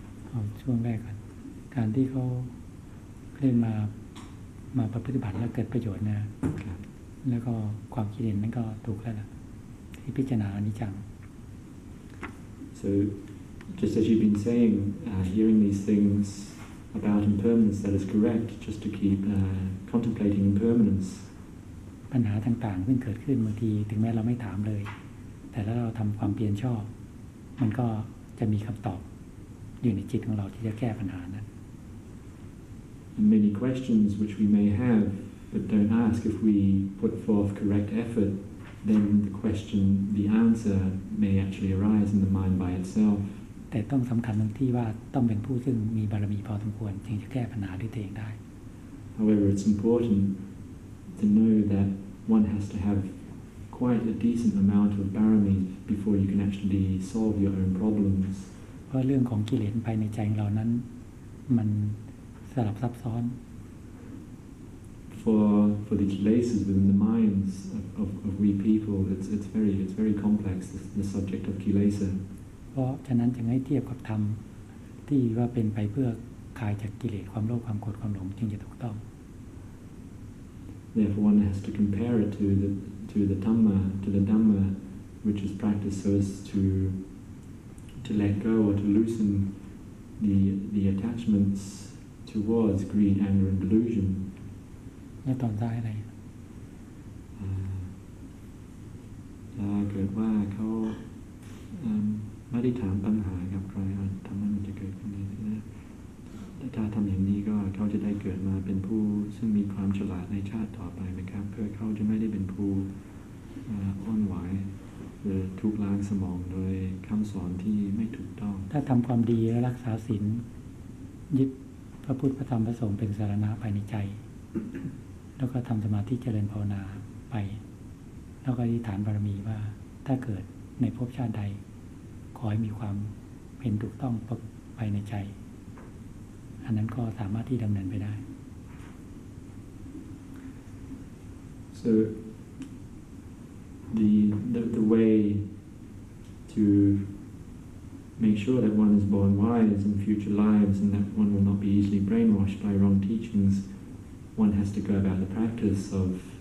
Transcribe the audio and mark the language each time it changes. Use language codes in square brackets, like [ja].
[th] ครับช่วงแรกก่อนการที่เขาเรียนมาปฏิบัติแล้วเกิดประโยชน์นะ ครับ แล้วก็ความคิดเห็นนั้นก็ถูกแล้วล่ะที่พิจารณาอนิจจัง [en] So, just as you've been saying, hearing these things about impermanence, that is correct, just to keep contemplating impermanence. [th] ปัญหาต่างๆที่เกิดขึ้นบางทีถึงแม้เราไม่ถามเลยแต่แล้วเราทำความเพียรชอบมันก็จะมีคำตอบอยู่ในจิตของเราที่จะแก้ปัญหานั้น [en] And many questions which we may have but don't ask if we put forth correct effortthen the question the answer may actually arise in the mind by itself [th] แต่ต้องสำคัญตรงที่ว่าต้องเป็นผู้ซึ่งมีบารมีพอสมควรจึงจะแก้ปัญหาด้วยตัวเองได้ [en] However it's important to know that one has to have quite a decent amount of barami before you can actually solve your own problems [th] เพราะเรื่องของกิเลสภายในใจของเรานั้นมันสลับซับซ้อน [en] For the kilesas within the minds of we people, it's very complex the subject of kilesa. [th] เพราะฉะนั้นจึงให้เทียบกับธรรมที่ว่าเป็นไปเพื่อคลายจากกิเลสความโลภความโกรธความหลงจึงจะถูกต้อง [en] Therefore, one has to compare it to the dhamma, which is practiced so as to let go or to loosen the attachments towards greed, anger, and delusion. [th] แล้วตอนได้อะไร ถ้าเกิดว่าเขาไม่ได้ถามปัญหากับใครทำให้มันจะเกิดขึ้นเองนะถ้าทำอย่างนี้ก็เขาจะได้เกิดมาเป็นผู้ซึ่งมีความฉลาดในชาติต่อไปไหมครับเพื่อเขาจะไม่ได้เป็นผู้อ่อนไหวหรือทุกข์ล้างสมองโดยคำสอนที่ไม่ถูกต้อง ถ้าทำความดีและรักษาศีลยึดพระพุทธพระธรรมพระสงฆ์เป็นสารณะภายในใจแล้วก็ทำสมาธิเจริญภาวนาไปแล้วก็อธิษฐานบารมีว่าถ้าเกิดในภพชาติใดขอให้มีความเห็นถูกต้องไปในใจันนั้นก็สามารถที่ดำเนินไปได้ [en] So the way to make sure that one is born wise in future lives and that one will not be easily brainwashed by wrong teachings one has to go about the practice of